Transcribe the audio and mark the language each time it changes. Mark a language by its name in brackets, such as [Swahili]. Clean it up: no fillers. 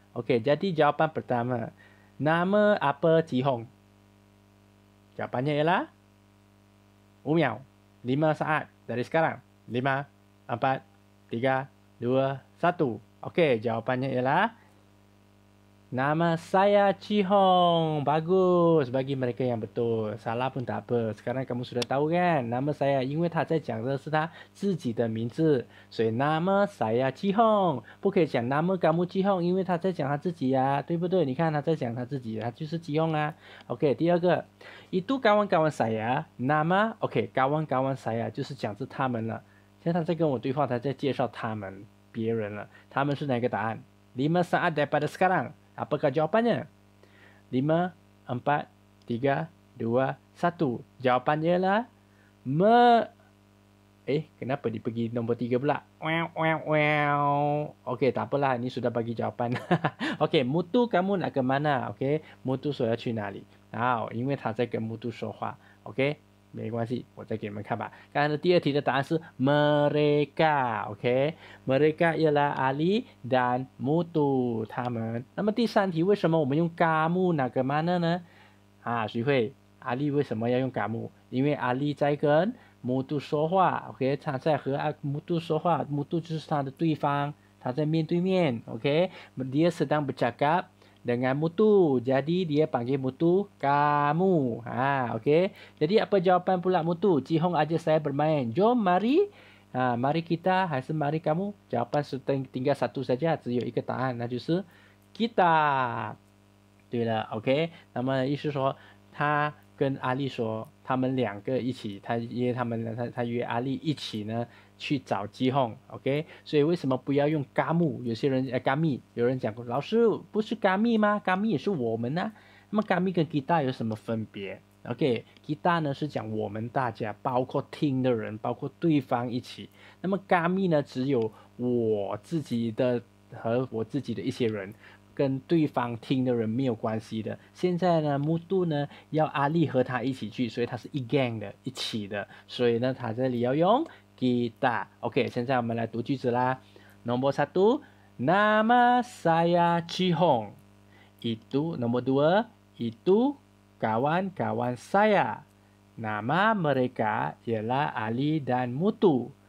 [Malay] Okey, jadi jawapan pertama. Nama apa Jihong? Jawapannya ialah? 5 miau. 5 saat dari sekarang. 5, 4, 3, 2, 1. Okey, jawapannya ialah? Nama saya Jihong. Bagus, bagi mereka yang betul. Salah pun tak apa. Sekarang kamu sudah tahu kan? [Chinese] Nama saya, 因为他在讲的是他自己的名字，所以 [Malay] nama saya Jihong [Chinese] 不可以讲 [Malay] nama kamu Jihong， [Chinese] 因为他在讲他自己啊，对不对？你看他在讲他自己，他就是 Jihong 啊。 [Malay] OK， [Chinese] 第二个， [Malay] itu kawan-kawan saya. Nama OK， kawan-kawan saya [Chinese] 就是讲着他们了。现在他在跟我对话，他在介绍他们别人了。他们是哪个答案？ [Malay] 5 saat daripada sekarang。 Apakah jawapannya? 5, 4, 3, 2, 1. Jawapannya ialah Eh, kenapa dia pergi nombor tiga pula? Wow, wow, wow. Okey, tak apalah. Ini sudah bagi jawapan. Okey, Mutu kamu nak ke mana? Okey, Mutu saya ke nali. [Chinese] Now, 因为他在跟 Mutu 说话. Okey, 没关系.我再给你们看吧. 刚才的第二题的答案是 mereka. [Malay] Okey, mereka ialah Ali dan Mutu. [Chinese] 他们. 那么第三题, 为什么我们用 [Malay] kamu nak ke mana ne? [Chinese] 啊, 徐慧, Ali 为什么要用 kamu? 因为 Ali 在跟 Mutu 说话, OK, 他在和 Mutu 说话, Mutu 就是他的对方, 他在面对面, OK, [Malay] dia sedang bercakap dengan Mutu, jadi dia panggil Mutu, kamu, ha, OK, jadi apa jawapan pula Mutu? Jihong ajak saya bermain, jom mari, ha, mari kita, hasil mari kamu, jawapan tinggal satu saja, [Chinese] 只有一个答案, 那就是 kita, 对了, OK, 那么意思说, 他, 跟阿丽说，他们两个一起，他约阿丽一起呢去找基宏 ，OK？所以为什么不要用 gami？ 有人讲过，老师不是 gami 吗 ？gami 也是我们呢、啊。那么 gami 跟 kita 有什么分别 ？OK？ kita 呢是讲我们大家，包括听的人，包括对方一起。那么 gami 呢只有我自己的和我自己的一些人。跟对方听的人没有关系的。现在呢 ，Mutu 呢要阿丽和他一起去，所以他是一 gang 的，一起的。所以呢，他这里要用 kita。OK， 现在我们来读句子啦。 [Malay] Nombor satu， nama saya Chihong. Itu nombor dua， itu kawan-kawan saya. Nama mereka ialah Ali dan Mutu.